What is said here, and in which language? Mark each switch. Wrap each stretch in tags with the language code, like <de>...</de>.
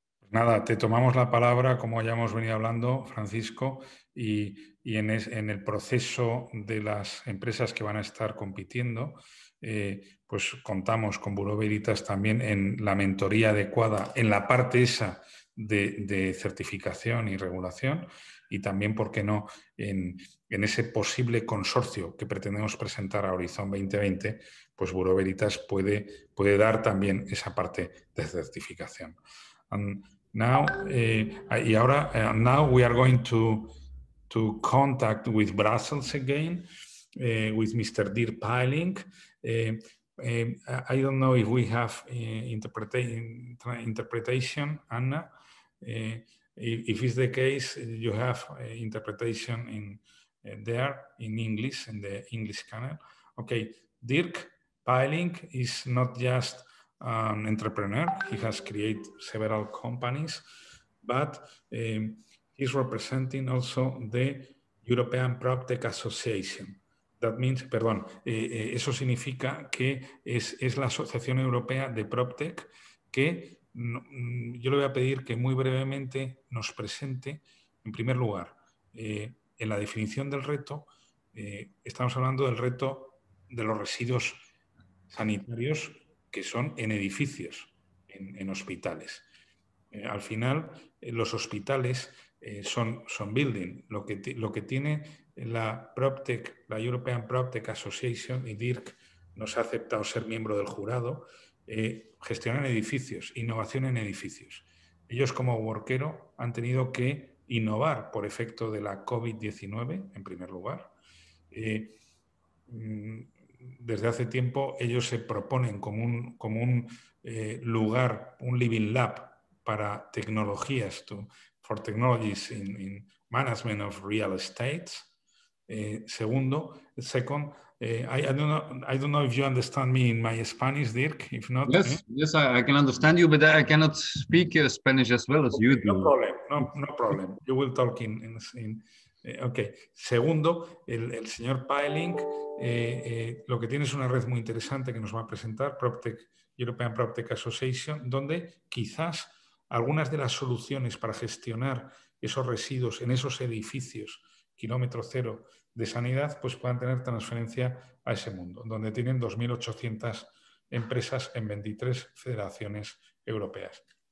<es>Nada, te tomamos la palabra, como ya hemos venido hablando, Francisco, y en el proceso de las empresas que van a estar compitiendo, pues contamos con Bureau Veritas también en la mentoría adecuada, en la parte esa de certificación y regulación, y también, ¿por qué no?, en ese posible consorcio que pretendemos presentar a Horizon 2020, pues Bureau Veritas puede dar también esa parte de certificación.</es> <en>Now we are going to contact with Brussels again, with Mr. Dirk Peiling. I don't know if we have interpretation, Anna. If it's the case, you have interpretation in there in English, in the English channel. Okay, Dirk Peiling is not just an entrepreneur, he has created several companies, but he's representing also the European PropTech Association. That means,</en> <es>perdón, eso significa que es la Asociación Europea de PropTech que no, yo le voy a pedir que muy brevemente nos presente, en primer lugar, en la definición del reto, estamos hablando del reto de los residuos sanitarios que son en edificios, en hospitales. Al final, los hospitales son building. Lo que tiene la PropTech, la European PropTech Association, y DIRC nos ha aceptado ser miembro del jurado, gestionan edificios, innovación en edificios. Ellos, como Workero, han tenido que innovar por efecto de la COVID-19, en primer lugar. Desde hace tiempo, ellos se proponen como un lugar, un living lab, para tecnologías,</es> <en>for technologies in management of real estates. I don't know if you understand me in my Spanish, Dirk. If not, yes, yes, I can understand you, but I cannot speak Spanish as well as you do. No problem. You will talk in. Okay.</en> <es>Segundo, el señor Paeling, lo que tiene es una red muy interesante que nos va a presentar, PropTech, European PropTech Association, donde quizás algunas de las soluciones para gestionar esos residuos en esos edificios kilómetro cero de sanidad, pues puedan tener transferencia a ese mundo, donde tienen 2.800 empresas en 23 federaciones europeas.</es>